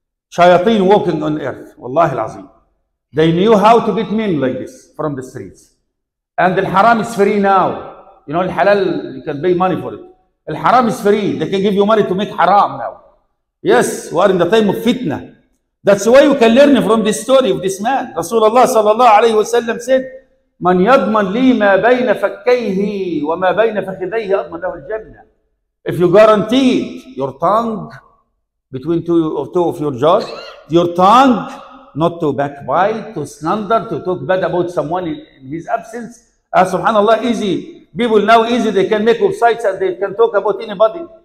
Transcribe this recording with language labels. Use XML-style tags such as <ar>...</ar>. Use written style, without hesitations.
<en>Shayateen walking on earth,</en> <ar>والله العظيم.</ar> <en>They knew how to get men like this from the streets. And the haram is free now. You know, الحلال, you can pay money for it. The haram is free. They can give you money to make haram now. Yes, we are in the time of fitna. That's why we can learn from this story of this man.</en> <ar>Rasulullah sallallahu alayhi wa sallam said, من يضمن لي ما بين فكيه وما بين فخذيه أضمن له الجنة.</ar> <en>If you guaranteed your tongue between two of your jaws, your tongue not to backbite, to slander, to talk bad about someone in his absence, subhanAllah, easy. People now easy, they can make websites and they can talk about anybody.</en>